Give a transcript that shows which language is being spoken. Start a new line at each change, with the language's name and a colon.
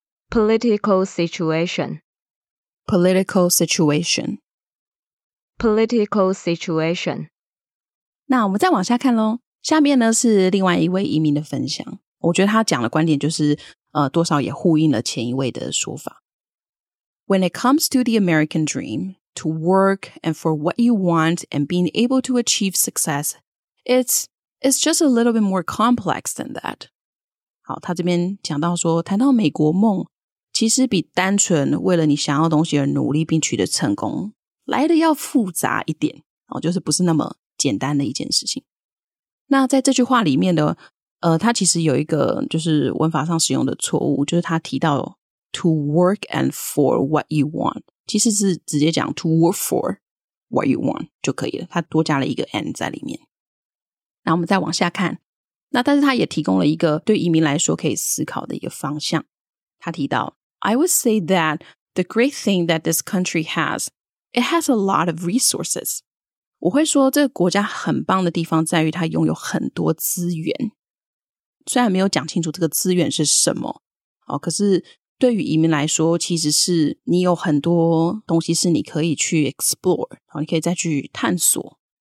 English: Political situation. Political situation. Political situation.
Chinese: 那我们再往下看咯，下面呢是另外一位移民的分享，我觉得他讲的观点就是多少也呼应了前一位的说法。
English: When it comes to the American dream, to work and for what you want and being able to achieve success, it's just a little bit more complex than that.
Chinese: 好，他这边讲到说，谈到美国梦，其实比单纯为了你想要东西而努力并取得成功来的要复杂一点、就是不是那么简单的一件事情。那在这句话里面的它其实有一个就是文法上使用的错误，就是它提到
English: to work and for what you want,
Chinese: 其实是直接讲
English: to work for what you want
Chinese: 就可以了，它多加了一个 and 在里面。那我们再往下看，那但是它也提供了一个对移民来说可以思考的一个方向。它提到
English: I would say that the great thing that this country hasIt has a lot of resources.
Chinese: 我会说这个国家很棒的地方在于它拥有很多资源。虽然没有讲清楚这个资源是什么、可是对于移民来说其实是你有很多东西是你可以去 explore,、你可以再去探索。